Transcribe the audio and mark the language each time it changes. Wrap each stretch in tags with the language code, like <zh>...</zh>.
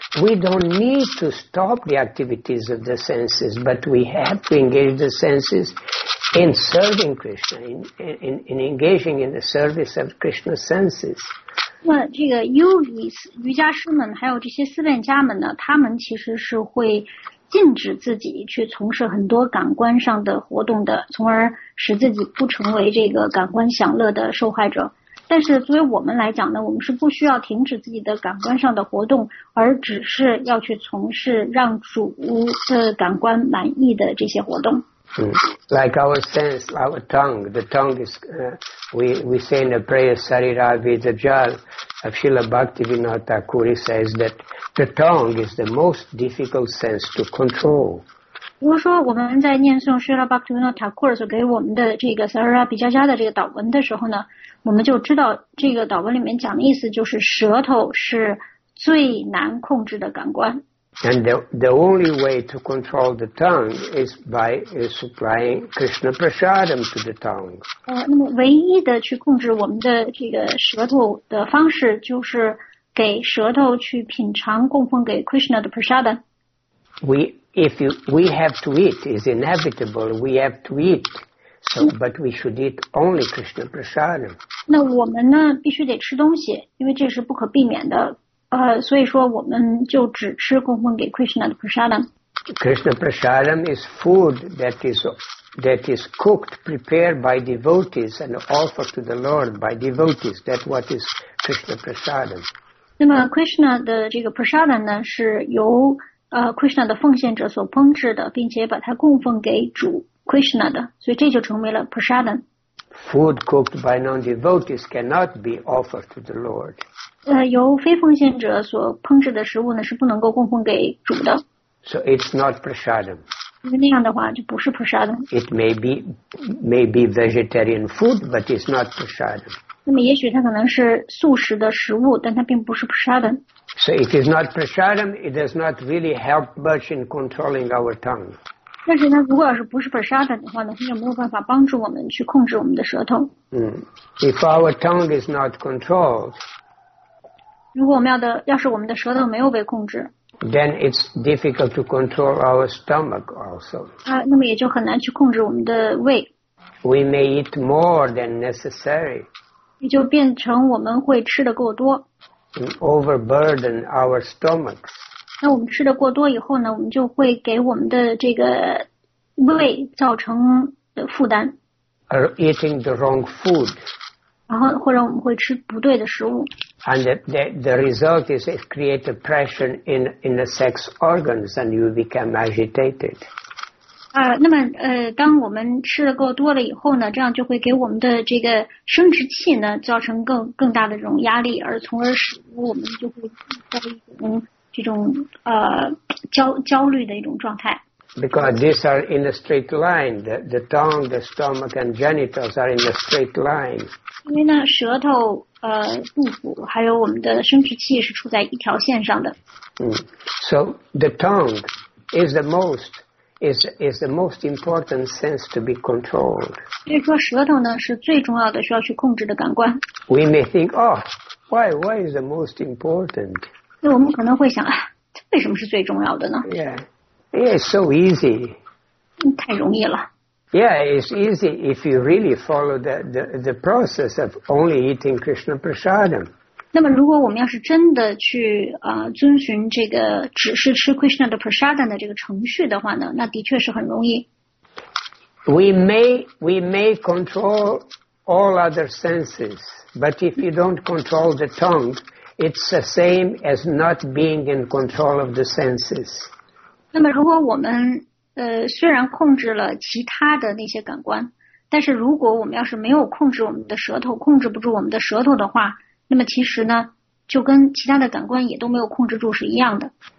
<en>We don't need to stop the activities of the senses, but we have to engage the senses in serving Krishna, in engaging in the service of Krishna's senses.</en> <zh>那这个 yogis, 瑜伽师们还有这些思辨家们呢，他们其实是会禁止自己去从事很多感官上的活动的，从而使自己不成为这个感官享乐的受害者。但是作为我们来讲呢，我们是不需要停止自己的感官上的活动，而只是要去从事让主的感官满意的这些活动。</zh> <en>Like our sense, our tongue, the tongue is, we say in a prayer, Sarira Vidajal, of Srila Bhaktivinoda Thakur says that the tongue is the most difficult sense to control.</en> <zh>比如说我们在念诵 Srila Bhaktivinoda Thakur 所给我们的这个 Sarira Vidajal 的这个导文的时候呢，我们就知道这个导文里面讲的意思就是舌头是最难控制的感官。</zh> <en>And the only way to control the tongue is by supplying Krishna prasadam to the tongue.</en> <zh>那么唯一的去控制我们的这个舌头的方式就是给舌头去品尝供奉给 Krishna 的 prasadam.</zh> <en>We have to eat, it's inevitable, we have to eat. But we should eat only Krishna prasadam.</en> <zh>那我们呢必须得吃东西，因为这是不可避免的。所以说我们就只吃供奉给 Krishna 的 prasadam.</zh> <en>Krishna prasadam is food that is cooked, prepared by devotees and offered to the Lord by devotees. That what is Krishna prasadam.</en> <zh>那么 Krishna 的这个 prasadam 呢，是由Krishna 的奉献者所烹制的，并且把它供奉给主 Krishna 的，所以这就成为了 prasadam.</zh> <en>Food cooked by non-devotees cannot be offered to the Lord.</en> <zh>由非奉献者所烹制的食物呢是不能够供奉给主的。</zh> <en>So it's not prasadam.</en> <zh>那样的话就不是 prasadam.</zh> <en>It may be vegetarian food, but it's not prasadam.</en> <zh>那么也许它可能是素食的食物，但它并不是 prasadam.</zh> <en>So if it's not prasadam, it does not really help much in controlling our tongue.</en> <zh>但是呢，如果要是不是 prasadam 的话呢，它就没有办法帮助我们去控制我们的舌头。</zh> <en>If our tongue is not controlled,</en> <zh>如果我们要是我们的舌头没有被控制</zh> <en>，then it's difficult to control our stomach also.</en> <zh>那么也就很难去控制我们的胃。</zh> <en>We may eat more than necessary.</en> <zh>也就变成我们会吃的过多。</zh> <en>Overburden our stomach.</en> <zh>那我们吃的过多以后呢，我们就会给我们的这个胃造成负担。</zh> <en>Or eating the wrong food.</en> <zh>然后或者我们会吃不对的食物。</zh> <en>And the result is it creates a pressure in the sex organs and you become agitated.</en> <zh>那么当我们吃的够多了以后呢，这样就会给我们的这个生殖器呢造成更大的这种压力，而从而使我们就会在一种。这种焦虑的一种状态。</zh> <en>Because these are in a straight line, the tongue, the stomach, and genitals are in a straight line.</en> <zh>因为呢，舌头、肚腹还有我们的生殖器是处在一条线上的。</zh> <en>So the tongue is the most important sense to be controlled.</en> <zh>所以说，舌头呢是最重要的需要去控制的感官。</zh> <en>We may think, oh, why is the most important?</en> <zh>那我们可能会想，为什么是最重要的呢</zh> <en>？Yeah, it's so easy.</en> <zh>太容易了。</zh> <en>Yeah, it's easy if you really follow the process of only eating Krishna prasadam.</en> <zh>那么，如果我们要是真的去遵循这个只是吃 Krishna 的 prasadam 的这个程序的话呢，那的确是很容易。</zh> <en>We may control all other senses, but if you don't control the tongue. It's the same as not being in control of the senses.</en> <zh>那么如果我们虽然控制了其他的那些感官，但是如果我们要是没有控制我们的舌头，控制不住我们的舌头的话，那么其实呢，就跟其他的感官也都没有控制住是一样的。</zh>